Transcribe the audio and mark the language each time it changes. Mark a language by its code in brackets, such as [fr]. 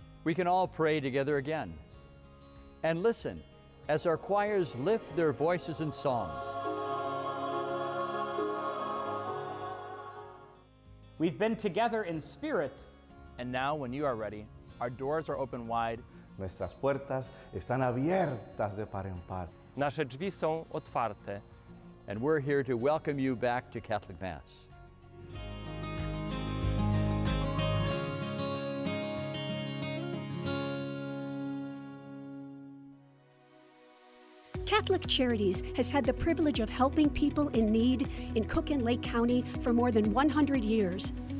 [en] We can all pray together again. And listen as our choirs lift their voices in song. We've been together in spirit. And now, when you are ready, our doors are open wide. [es] Nuestras puertas están abiertas de par en par. [pl] Nasze drzwi są otwarte. [en] And we're here to welcome you back to Catholic Mass. Catholic Charities has had the privilege of helping people in need in Cook and Lake County for more than 100 years.